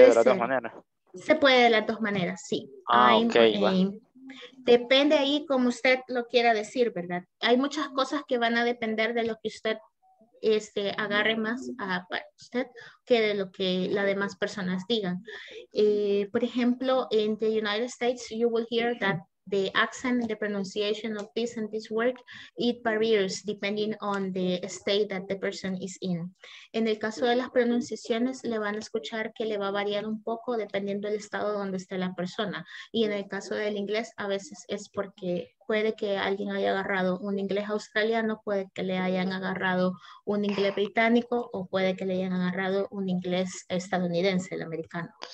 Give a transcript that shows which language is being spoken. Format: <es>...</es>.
<es>Se puede de las dos maneras. Se puede de las dos maneras, sí.</es> <en>I'm okay, or aim.</en> <es>Bueno. Depende ahí como usted lo quiera decir, ¿verdad? Hay muchas cosas que van a depender de lo que usted agarre más para usted que de lo que las demás personas digan. Por ejemplo,</es> <en>in the United States, you will hear that the accent, the pronunciation of this and this word, it varies depending on the state that the person is in.</en> <es>En el caso de las pronunciaciones, le van a escuchar que le va a variar un poco dependiendo del estado donde esté la persona. Y en el caso del inglés, a veces es porque puede que alguien haya agarrado un inglés australiano, puede que le hayan agarrado un inglés británico, o puede que le hayan agarrado un inglés estadounidense, el americano.</es>